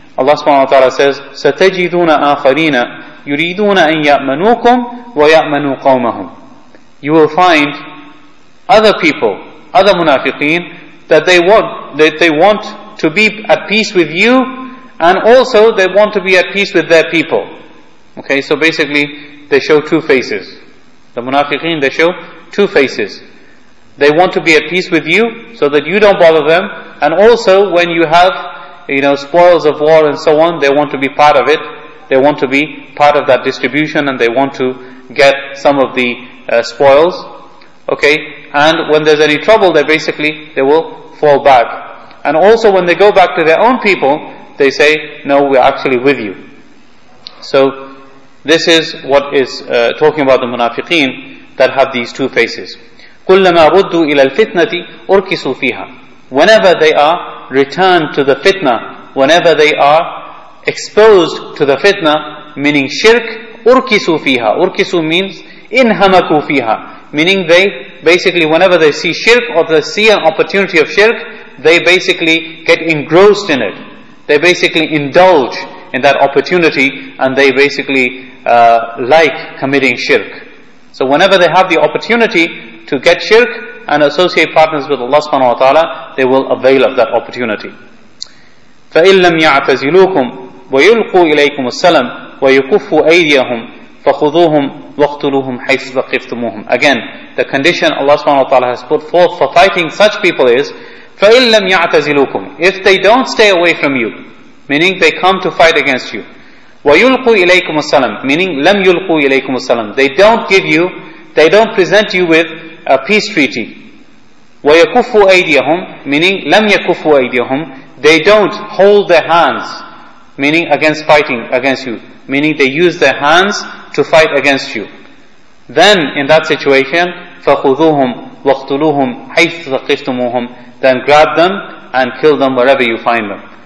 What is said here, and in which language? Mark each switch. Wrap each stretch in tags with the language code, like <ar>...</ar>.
<en>Allah subhanahu wa ta'ala says,</en> <ar>سَتَجِدُونَ آخَرِينَ يُرِيدُونَ أَن يَأْمَنُوكُمْ وَيَأْمَنُوا قَوْمَهُمْ.</ar> <en>You will find other people, other munafiqeen, that they want to be at peace with you, and also they want to be at peace with their people. Okay, so basically they show two faces. The munafiqeen, they show two faces. They want to be at peace with you so that you don't bother them, and also when you have, you know, spoils of war and so on, they want to be part of it. They want to be part of that distribution and they want to get some of the spoils. Okay, and when there's any trouble, they will fall back. And also when they go back to their own people, they say, no, we're actually with you. So this is what is talking about the munafiqeen that have these two faces.</en> <ar>كُلَّمَا رُدُّوا إِلَى الْفِتْنَةِ أُرْكِسُوا فِيهَا.</ar> <en>Whenever they are returned to the fitna, whenever they are exposed to the fitna, meaning shirk,</en> <ar>أُرْكِسُوا فِيهَا. أُرْكِسُوا means إِنْهَمَكُوا فِيهَا.</ar> <en>Meaning they basically, whenever they see shirk or they see an opportunity of shirk, they basically get engrossed in it. They basically indulge in that opportunity and they basically like committing shirk. So whenever they have the opportunity to get shirk and associate partners with Allah subhanahu wa ta'ala, they will avail of that opportunity.</en> <ar>فَإِن لَمْ يَعْتَزِلُوكُمْ وَيُلْقُوا إِلَيْكُمُ السَّلَمْ وَيُكُفُّ أَيْدِيَهُمْ فَخُذُوهُمْ وَاقْتُلُوهُمْ حَيْثُ ثَقِفْتُمُوهُمْ.</ar> <en>Again, the condition Allah subhanahu wa ta'ala has put forth for fighting such people is,</en> <ar>فَإِن لَمْ يَعْتَزِلُوكُمْ.</ar> <en>If they don't stay away from you, meaning they come to fight against you.</en> <ar>وَيُلْقُوا إِلَيْكُمُ السَّلَمْ, meaning لَمْ يُلْقُوا إِلَيْكُمُ السَّلَمْ.</ar> <en>They don't present you with a peace treaty.</en> <ar>وَيَكُفُّ أَيْدِيَهُمْ, meaning لَمْ يَكُفُّ أَيْدِيَهُمْ.</ar> <en>They don't hold their hands, meaning against fighting against you, meaning they use their hands to fight against you. Then in that situation,</en> <ar>فَخُذُوهُمْ وَاقْتُلُوهُمْ حَيْثُ ثَقِفْتُمُوهُمْ.</ar> <en>Then grab them and kill them wherever you find them.</en>